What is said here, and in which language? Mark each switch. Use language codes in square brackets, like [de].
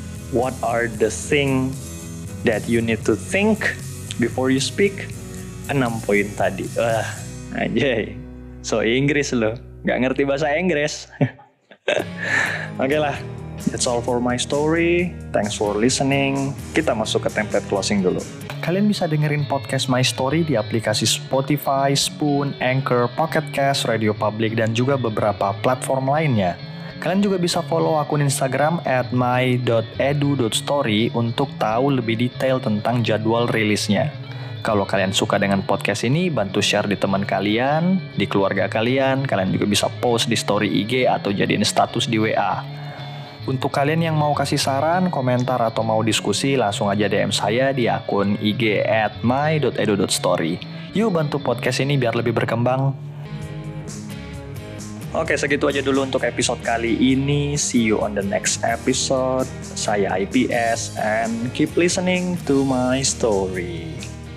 [en] What are the thing that you need to think before you speak? [id] 6 poin tadi. Wah, anjay. So Inggris lo, enggak ngerti bahasa Inggris. Oke lah. [en] That's all for my story. Thanks for listening. [id] Kita masuk ke template closing dulu. Kalian bisa dengerin podcast My Story di aplikasi Spotify, Spoon, Anchor, Pocket Cast, Radio Public, dan juga beberapa platform lainnya. Kalian juga bisa follow akun Instagram @my.edu.story untuk tahu lebih detail tentang jadwal rilisnya. Kalau kalian suka dengan podcast ini, bantu share di teman kalian, di keluarga kalian. Kalian juga bisa post di story IG atau jadiin status di WA. Untuk kalian yang mau kasih saran, komentar, atau mau diskusi, langsung aja DM saya di akun IG @my.edu.story. Yuk bantu podcast ini biar lebih berkembang. Oke, segitu aja dulu untuk episode kali ini. [en] See you on the next episode. [id] Saya IPS, [en] and keep listening to my story.